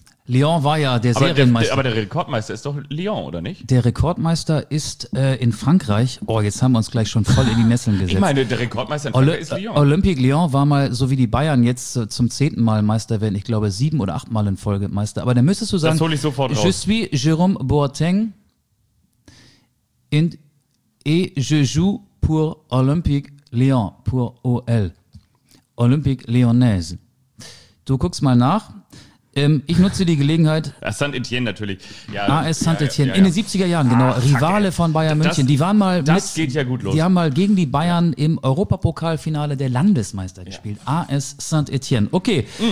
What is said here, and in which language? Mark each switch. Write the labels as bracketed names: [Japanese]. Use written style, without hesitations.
[German] Lyon war ja der Serienmeister. Aber der Rekordmeister ist doch Lyon, oder nicht? Der Rekordmeister ist in Frankreich. Oh, jetzt haben wir uns gleich schon voll in die Nesseln gesetzt. Ich meine, der Rekordmeister in Frankreich ist Lyon. Olympique Lyon war mal, so wie die Bayern jetzt zum 10. Mal Meister werden. Ich glaube, 7 oder 8 Mal in Folge Meister. Aber dann müsstest du sagen, das hole ich sofort raus. [French] Je suis Jérôme Boateng und je joue pour Olympique Lyon, pour OL. [German] Olympique Lyonnaise. Du guckst mal nach. Ich nutze die Gelegenheit. Saint-Etienne natürlich. Ja, AS Saint-Etienne. Ja. In den 70er Jahren, genau. Ach, Rivale von Bayern München. Die waren mal. Das geht ja gut los. Die haben mal gegen die Bayern im Europapokalfinale der Landesmeister gespielt. Ja. AS Saint-Etienne. Okay.